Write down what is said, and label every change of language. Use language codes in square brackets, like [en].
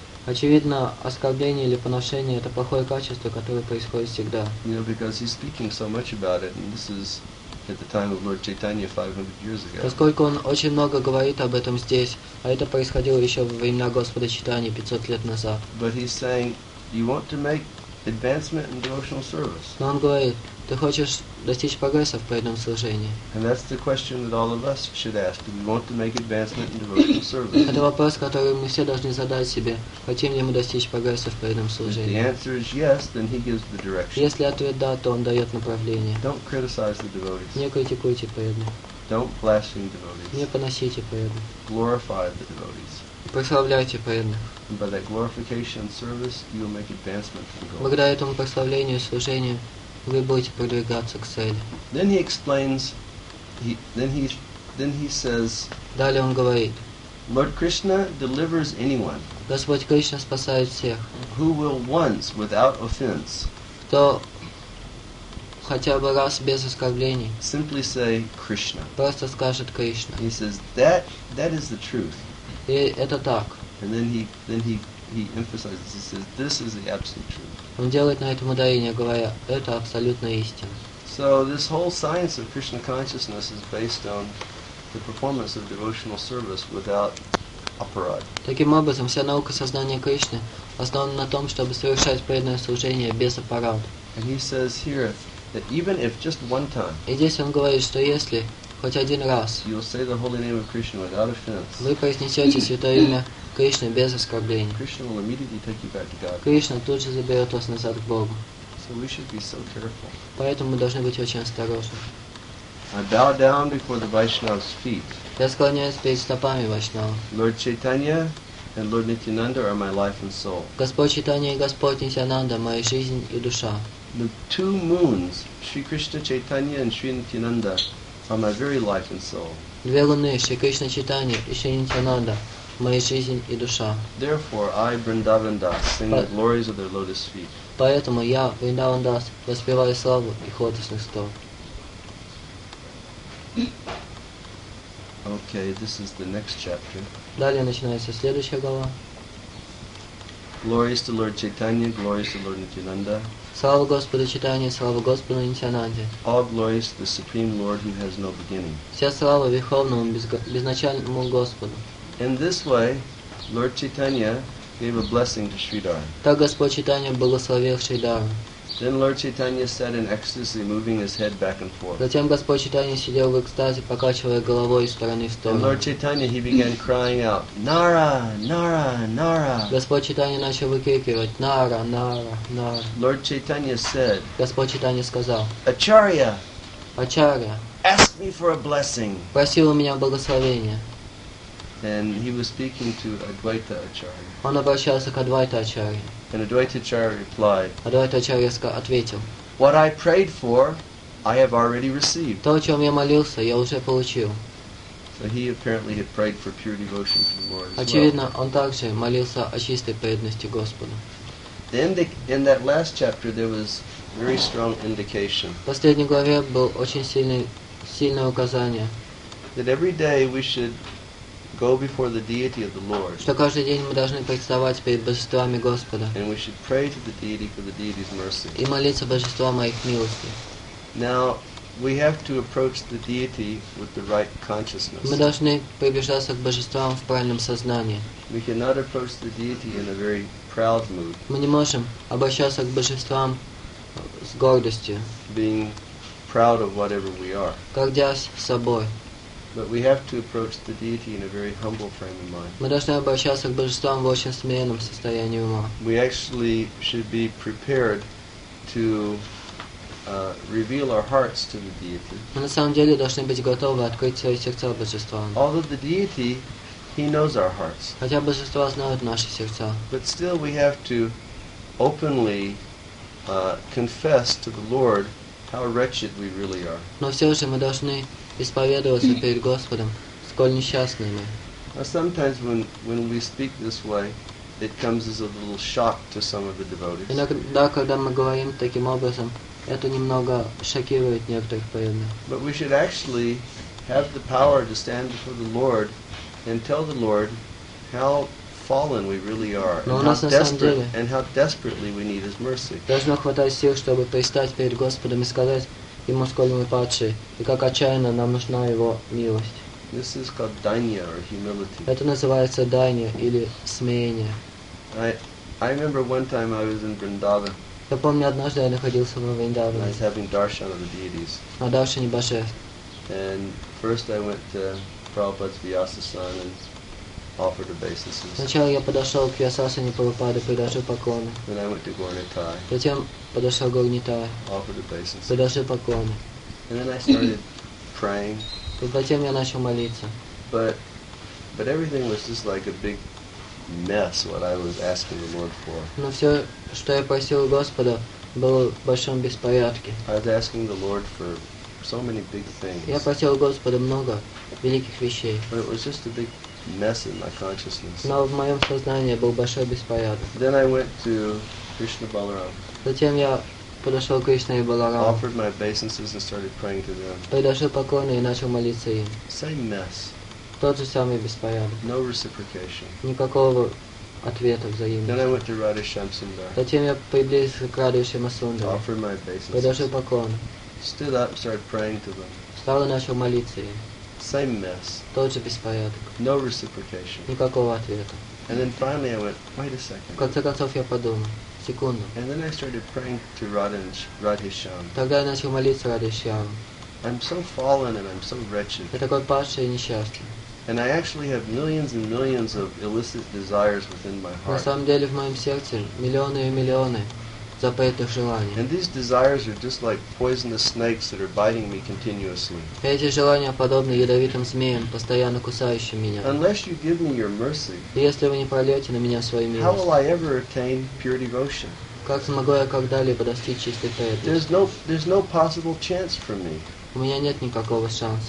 [ru] Очевидно, оскорбление или поношение — это плохое качество, которое происходит всегда. [en] You know, because he's speaking so much about it, and this is at the time of Lord Chaitanya 500 years ago. [ru] Поскольку он очень много говорит об этом здесь, а это происходило еще во времена Господа Чайтаньи 500 лет назад. [en] But he's saying, you want to make advancement in devotional service. [ru] Но он говорит, ты хочешь достичь прогресса в преданном служении. [en] And that's the question that all of us should ask. Do we want to make advancement in devotional service? [ru] Это вопрос, который мы все должны задать себе. Хотим ли мы достичь прогресса в преданном служении? [en] If the answer is yes, then he gives the direction. [ru] Если ответ да, то он дает направление. [en] Don't criticize the devotees. [ru] Не критикуйте преданных. [en] Don't blaspheme devotees. [ru] Не поносите преданных. [en] Glorify the devotees. [ru] Прославляйте преданных. [en] And by that glorification service, you'll make advancement in devotional. [ru] Благодаря этому прославлению и служению вы будете продвигаться к цели. [en] Then he explains, he says, [ru] далее он говорит, [en] Lord Krishna delivers anyone. [ru] Господь Кришна спасает всех. [en] Who will once without offense? [ru] Кто хотя бы раз без оскорблений. [en] Simply say Krishna. [ru] Просто скажет Кришна. [en] He says that is the truth. [ru] И это так. [en] And then he emphasizes, he says, this is the absolute truth. [ru] Он делает на этом ударение, говоря, это абсолютная истина. [en] So this whole science of Krishna consciousness is based on the performance of devotional service without aparad. [ru] Таким образом, вся наука сознания Кришны основана на том, чтобы совершать преданное служение без аппарат. [en] And he says here that even if just one time. [ru] И здесь он говорит, что если хоть один раз. [en] You say the holy name of Krishna without offense. [ru] Вы произнесете святое имя Кришна без оскорблений. [en] Krishna will immediately take you back to God. [ru] Кришна тут же заберет вас назад к Богу. [en] So we should be so careful. [ru] Поэтому мы должны быть очень осторожны. [en] I bow down before the Vaishnava's feet. [ru] Я склоняюсь перед стопами Вайшнава. [en] Lord Chaitanya and Lord Nityananda are my life and soul. [ru] Господь Чайтанья и Господь Нитьянанда — моя жизнь и душа. [en] The two moons, Sri Krishna Chaitanya and Sri Nityananda, are my very life and soul. [ru] Две луны, Шри Кришна Чайтанья и Шри Нитьянанда, — моя жизнь и душа. [en] Therefore, I, Vrindavan Das, sing the glories of their lotus feet. [ru] Поэтому я, Vrindavan Das, воспеваю славу их лотосных стоп. [en] Okay, this is the next chapter. [ru] Далее начинается следующая глава. [en] Glories to Lord Chaitanya, glories to Lord Nityananda. [ru] Слава Господу Чайтанье, слава Господу Нитьянанде. [en] All glories to the Supreme Lord who has no beginning. [ru] Вся слава Верховному Безначальному Господу. [en] In this way, Lord Chaitanya gave a blessing to Sridhar. [ru] Так Господь Чайтанья благословил Шридхару. [en] Then Lord Chaitanya sat in ecstasy, moving his head back and forth. [ru] Затем Господь Чайтанья сидел в экстазе, покачивая головой из стороны в сторону. [en] And Lord Chaitanya, he began crying out, Nara, Nara, Nara. [ru] Господь Чайтанья начал выкрикивать, Nara, Nara, Nara. [en] Lord Chaitanya said, [ru] Господь Чайтанья сказал, [en] Acharya, [ru] Acharya, [en] ask me for a blessing. [ru] Просил у меня благословения. [en] And he was speaking to Advaita Acharya. [ru] Он обращался к Адвайта Ачарье. [en] And Advaita Acharya replied. [ru] Адвайта Ачарья ответил. [en] What I prayed for, I have already received. [ru] То, о чем я молился, я уже получил. [en] So he apparently had prayed for pure devotion to the Lord. [ru] Очевидно, он также молился о чистой преданности Господу. [en] Then in that last chapter there was very strong indication. [ru] В последней главе был очень сильное указание. [en] That every day we should go before the deity of the Lord. [ru] Что каждый день мы должны представать перед божествами Господа. [en] And we should pray to the deity for the deity's mercy. [ru] И молиться божествам о их милости. [en] Now we have to approach the deity with the right consciousness. [ru] Мы должны приближаться к божествам в правильном сознании. [en] We cannot approach the deity in a very proud mood. [ru] Мы не можем обращаться к божествам с гордостью. [en] Being proud of whatever we are. [ru] Гордясь собой. [en] But we have to approach the deity in a very humble frame of mind. [ru] Мы должны обращаться к божествам в очень смиренном состоянии ума. [en] We actually should be prepared to reveal our hearts to the deity. [ru] Мы на самом деле должны быть готовы открыть свои сердца божествам. [en] Although the deity, he knows our hearts. [ru] Хотя божества знают наши сердца. [en] But still we have to openly confess to the Lord how wretched we really are. [ru] Но все же мы должны исповедоваться перед Господом, сколь несчастны мы. [en] Sometimes when we speak this way, it comes as a little shock to some of the devotees. [ru] Иногда, когда мы говорим таким образом, это немного шокирует некоторых преданных. [en] But we should actually have the power to stand before the Lord and tell the Lord how fallen we really are, and how desperately we need His mercy. [ru] Должно хватать сил, чтобы пристать перед Господом и сказать ему, сколь мы падшие, и как отчаянно нам нужна Его милость. [en] This is called dānya, or humility. [ru] Это называется дания или смирение. [en] I remember one time I was in Vrindavan. [ru] Я помню, однажды я находился во Вриндаване. [en] I was having darshan of the deities. [ru] На даршане божеств. [en] And first I went to Prabhupada's Vyasasana and offered obeisances. [ru] Сначала я подошел к Вьясасане Прабхупаде, предложил поклоны. [en] Then I went to Горнитай. [ru] Затем подошел к Горнитай. [en] Offered obeisances. [ru] Предложил поклоны. [en] And then I started praying. [ru] И затем я начал молиться. [en] But everything was just like a big mess, what I was asking the Lord for. [ru] Но все, что я просил Господа, было в большом беспорядке. [en] I was asking the Lord for so many big things. [ru] Я просил Господа много великих вещей. [en] But it was just a big mess in my consciousness. [ru] Но в моем сознании был большой беспорядок. [en] Then I went to Krishna Balaram. [ru] Затем я подошел к Кришне и Баларам. [en] Offered my obeisances and started praying to them. [ru] Предложил поклоны и начал молиться им. [en] Same mess. [ru] Тот же самый беспорядок. [en] No reciprocation. [ru] Никакого ответа взаимности. [en] Then I went to Radha Shyamsundar. [ru] Затем я приблизился к Радхе Шьямасундаре. [en] Offered my obeisances. [ru] Предложил поклоны. [en] Stood up, started praying to them. [ru] Встал и начал молиться им. [en] Same mess. [ru] Тот же беспорядок. [en] No reciprocation. [ru] Никакого ответа. [en] And then finally I went, wait a second. [ru] В конце концов я подумал. [en] And then I started praying to Radhisham. [ru] Тогда я начал молиться Радхишьяму. [en] I'm so fallen and I'm so wretched. [ru] Я такой падший и несчастный. [en] And I actually have millions and millions of illicit desires within my heart. [ru] На самом деле в моем сердце миллионы и миллионы запретных желаний. [en] And these desires are just like poisonous snakes that are biting me continuously. [ru] Эти желания подобны ядовитым змеям, постоянно кусающим меня. [en] Unless you give me your mercy, [ru] если вы не прольете на меня свою милость, [en] how will I ever attain pure devotion? [ru] Как смогу я когда-либо достичь чистой преданности? [en] There's no possible chance for me. [ru] У меня нет никакого шанса.